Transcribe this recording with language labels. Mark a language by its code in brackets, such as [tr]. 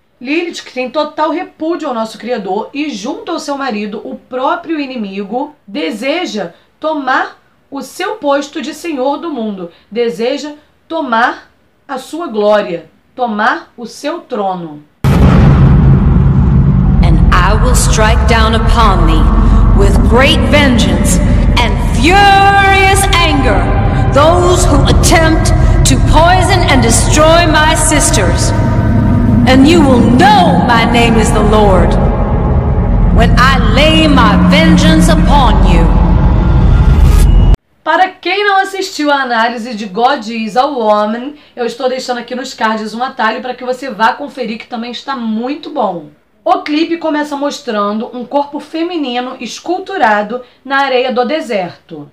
[pt] Lilith, que tem total repúdio ao nosso criador e, junto ao seu marido, o próprio inimigo, deseja tomar o seu posto de senhor do mundo, deseja tomar a sua glória, tomar o seu trono. [en] I will strike down upon thee with great vengeance and furious anger those who attempt to poison and destroy my sisters. And you will know my name is the Lord when I lay my vengeance upon you. [pt] Para quem não assistiu à análise de God is a Woman, eu estou deixando aqui nos cards um atalho para que você vá conferir, que também está muito bom. O clipe começa mostrando um corpo feminino esculturado na areia do deserto.